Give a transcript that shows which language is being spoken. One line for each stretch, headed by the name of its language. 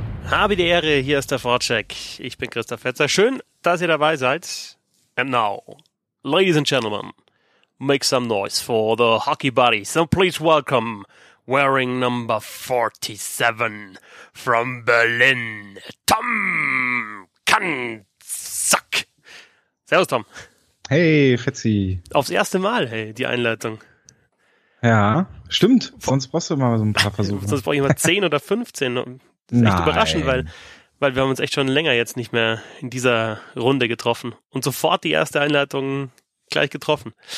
German: Habe die Ehre, hier ist der Sportcheck. Ich bin Christoph Fetzer. Schön, dass ihr dabei seid.
English: And now, ladies and gentlemen, make some noise for the hockey buddies. And please welcome, wearing number 47 from Berlin, Tom Kanzak.
German: Servus, Tom. Hey, Fetzi. Aufs erste Mal, hey, die Einleitung. Ja, stimmt. Sonst brauchst du immer so ein paar Versuche. Sonst brauche ich immer 10 oder 15. Das ist echt überraschend, weil wir haben uns echt schon länger jetzt nicht mehr in dieser Runde getroffen. Und sofort die erste Einleitung gleich getroffen.